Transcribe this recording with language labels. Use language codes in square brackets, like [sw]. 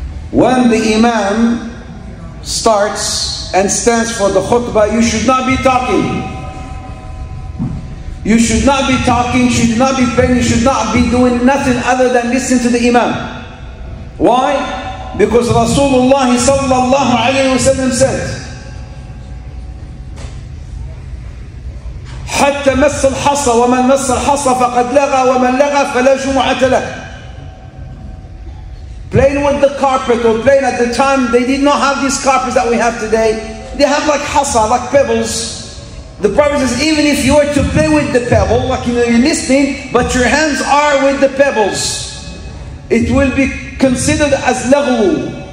[en] When the imam starts and stands for the khutbah, you should not be talking. You should not be talking, you should not be praying, you should not be doing nothing other than listening to the imam. Why? Because Rasulullah sallallahu alayhi wa sallam said, [ar] حتى مس الحصى ومن مس الحصى فقد لغى ومن لغى فلا جمعة له. [en] Playing with the carpet or playing at the time, they did not have these carpets that we have today. They have like hasa, like pebbles. The Prophet says, even if you were to play with the pebble, like you know, you're listening, but your hands are with the pebbles, it will be considered as lagu.